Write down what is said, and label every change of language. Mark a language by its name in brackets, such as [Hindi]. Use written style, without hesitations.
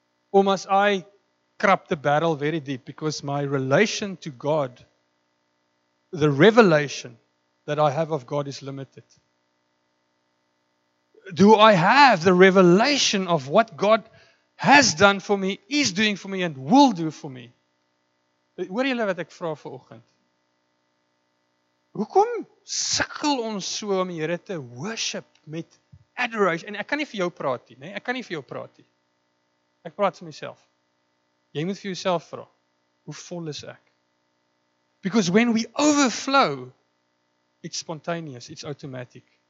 [English] Or must I crap the barrel very deep because my relation to God, the revelation that I have of God is limited? Do I have the revelation of what God has done for me, is doing for me, and will do for me? [Afrikaans] Hoor julle wat ek vra vir oggend? Hoekom sukkel ons so om die Here te worship met adoration? En ek kan nie vir jou praat nie, ek kan nie vir jou praat nie. Ek praat vir myself. Jy moet vir jouself vra, hoe vol is ek? [English] Because when we overflow, it's spontaneous, it's automatic.